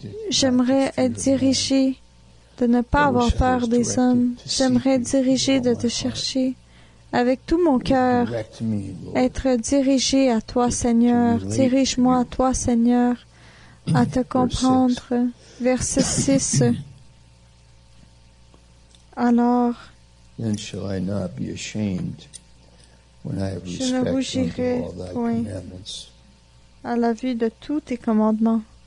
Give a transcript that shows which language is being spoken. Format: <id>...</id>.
<fr>J'aimerais être dirigé de ne pas avoir peur des hommes. J'aimerais dirigé de te chercher avec tout mon cœur. Être dirigé à toi, Seigneur. Dirige-moi à toi, Seigneur, à te comprendre. Verset 6. Alors,</fr> <en>then shall I not be ashamed.</en> <fr>Je ne rougirai point à la vue de tous tes commandements.</fr>